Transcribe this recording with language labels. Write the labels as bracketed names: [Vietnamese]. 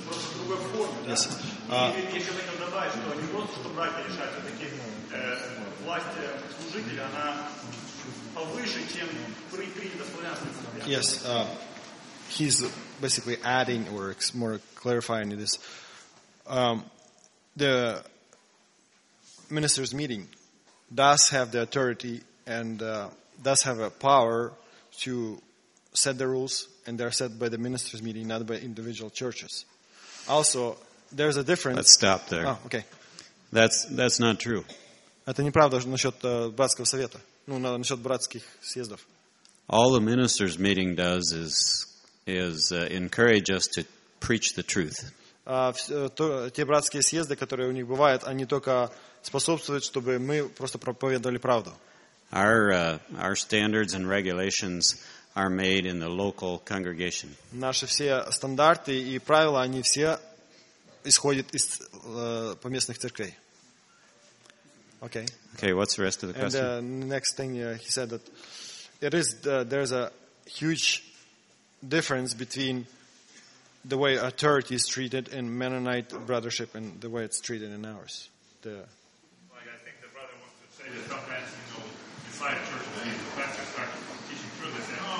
[Russian] Просто другой форме, да? И если в этом добавить, что не просто, что братья решают, а таки власть служителя, она повыше, чем принято в славянском собрании. [English] Yes, he's basically adding or more clarifying this. The minister's meeting does have the authority and does have a power to set the rules, and they're set by the minister's meeting, not by individual churches. Also, there's a difference. Let's stop there. Oh, okay. That's not true. [Russian] Это неправда насчёт братского совета. Ну, насчёт братских съездов. [English] All the ministers meeting does is encourage us to preach the truth. [Russian] Те братские съезды, которые у них бывают, они только способствуют, чтобы мы просто проповедовали правду. [English] Our standards and regulations are made in the local congregation. [Russian] Наши все стандарты и правила, они все исходят из поместных церквей. [English] Okay. Okay, what's the rest of the question? And the next thing he said that there's a huge difference between the way authority is treated in Mennonite brothership and the way it's treated in ours. The Like I think the brother wants to say that sometimes, you know, inside church the pastor starts